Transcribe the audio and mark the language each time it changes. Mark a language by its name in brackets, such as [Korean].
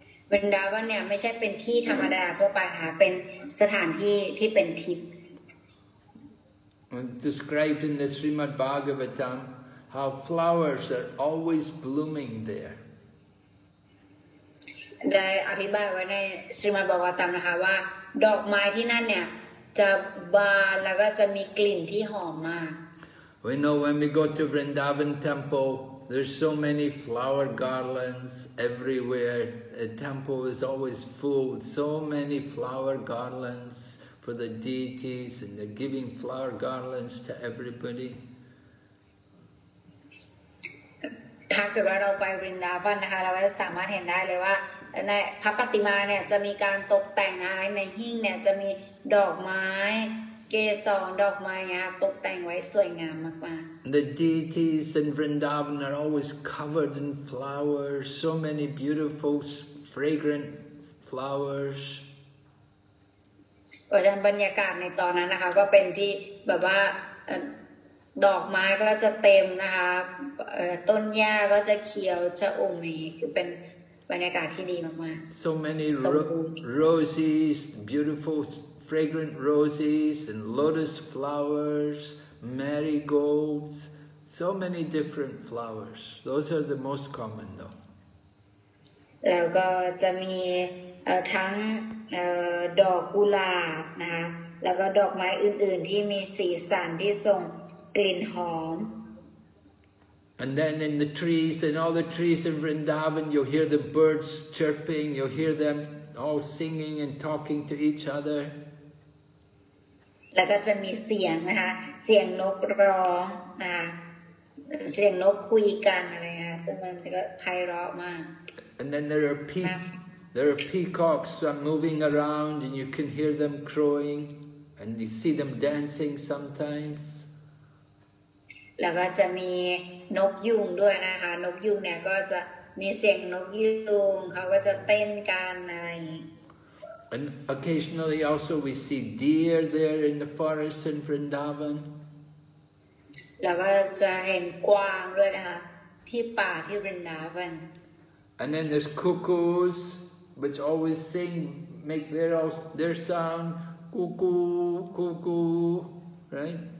[Thai] Vrindavan เนี่ยไม่ใช่เป็นที่ธรรมดาทั่วไปค่ะเป็นสถานที่ที่เป็นทิพย์ [English] Described in the Srimad Bhagavatam how flowers are always blooming there. [Thai] ได้อธิบายไว้ในศรีมาบอกว่าตามนะคะว่าดอกไม้ที่นั่นเนี่ยจะบานแล้วก็จะมีกลิ่นที่หอมมาก [English] We know when we go to Vrindavan temple there's so many flower garlands everywhere the temple is always full so many flower garlands for the deities and they're giving flower garlands to everybody [Thai] ถ้าเกิดว่าเราไปวรินดาวันนะคะเราจะสามารถเห็นได้เลยว่าในพระปฏิมาเนี่ยจะมีการตกแต่งในหิ้งเนี่ยจะมีดอกไม้เกสรดอกไม้เนี่ยตกแต่งไว้สวยงามมาก [English] ๆ The deities in Vrindavan are always covered in flowers so many beautiful fragrant flowers [Thai] เพราะบรรยากาศในตอนนั้นนะคะก็เป็นที่แบบว่าดอกไม้ก็จะเต็มนะคะต้นหญ้าก็จะเขียวชอุ่มคือเป็นบรรยากาศที่ดีมากๆ [English] So many roses, beautiful fragrant roses and lotus flowers, marigolds, so many different flowers. Those are the most common though. [Thai] แล้วก็จะมี ทั้งดอกกุหลาบนะคะแล้วก็ดอกไม้อื่นๆที่มีสีสันที่ส่งกลิ่นหอม [English] And then in the trees, in all the trees in Vrindavan, you'll hear the birds chirping, you'll hear them all singing and talking to each other. [Thai] แล้วก็จะมีเสียงนะคะเสียงนกร้องนะเสียงนกคุยกันอะไรค่ะซึ่งมันก็ไพเราะมาก [English] And then there are peacocks moving around and you can hear them crowing and you see them dancing sometimes. [Thai] แล้วก็จะมีนกยูงด้วยนะคะนกยูงเนี่ยก็จะมีเสียงนกยูงเขาก็จะเต้นกันอะไร [English] And occasionally also we see deer there in the forest in Vrindavan. [Thai] แล้วก็จะเห็นกวางด้วยนะคะที่ป่าที่ Vrindavan. [English] And then there's cuckoos. Which always sing, make their sound, cuckoo, cuckoo, right?